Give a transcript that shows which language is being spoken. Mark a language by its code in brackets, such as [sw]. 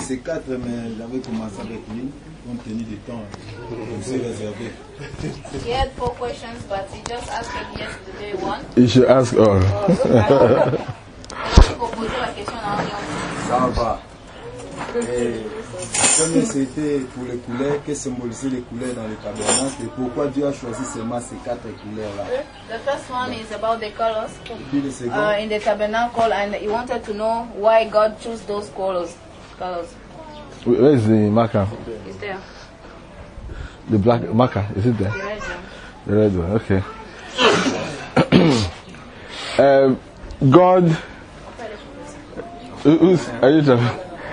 [fr] C'est quatre, mais j'avais commencé avec lui, compte tenu du temps, je me suis réservé. [en] He had four questions, but he just asked yesterday one. You should ask all. [fr] Je vais poser la question à Orion. Ça va. Comme c'était pour les couleurs, que symbolisaient les couleurs dans le tabernacle et pourquoi Dieu a choisi seulement ces quatre couleurs-là? [en] The first one is about the colors. [fr] Puis le second. [en] In the tabernacle, and he wanted to know why God chose those colors. Colors. Where is the marker? It's there. The black marker, is it there? The red one. The red one. Okay. God. Who's? Are you talking?